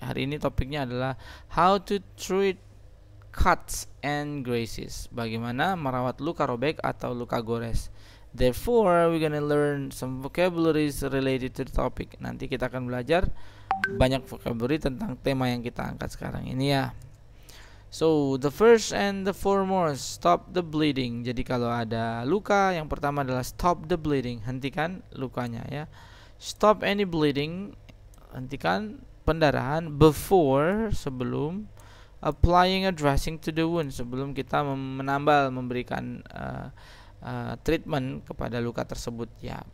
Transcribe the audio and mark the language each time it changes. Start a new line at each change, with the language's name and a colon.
Indonesian: Hari ini topiknya adalah
English: how to treat cuts and graces.
Indonesian: Bagaimana merawat luka robek atau luka gores.
English: Therefore, we're going to learn some vocabularies related to the topic.
Indonesian: Nanti kita akan belajar banyak vocabulary tentang tema yang kita angkat sekarang ini ya.
English: So, the first and the foremost, stop the bleeding.
Indonesian: Jadi kalau ada luka, yang pertama adalah
English: stop the bleeding.
Indonesian: Hentikan lukanya ya.
English: Stop any bleeding.
Indonesian: Hentikan pendarahan
English: before,
Indonesian: sebelum
English: applying a dressing to the wound.
Indonesian: Sebelum kita menambal, memberikan treatment kepada luka tersebut ya.